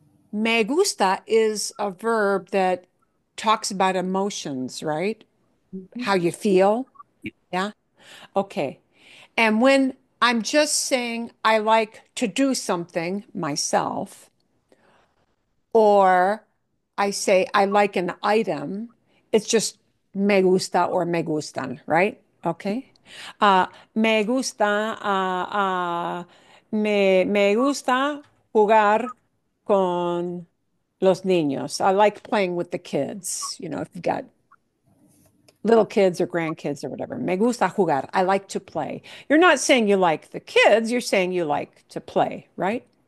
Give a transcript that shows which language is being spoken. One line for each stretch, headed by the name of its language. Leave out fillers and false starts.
English: Me gusta is a verb that talks about emotions, right? How you feel. Yeah. Okay. And when I'm just saying I like to do something myself, or I say I like an item, it's just me gusta or me gustan, right? Okay.
Spanish: Me gusta, me gusta jugar con los niños.
English: I like playing with the kids, you know, if you've got little kids or grandkids or whatever.
Spanish: Me gusta jugar.
English: I like to play. You're not saying you like the kids, you're saying you like to play, right?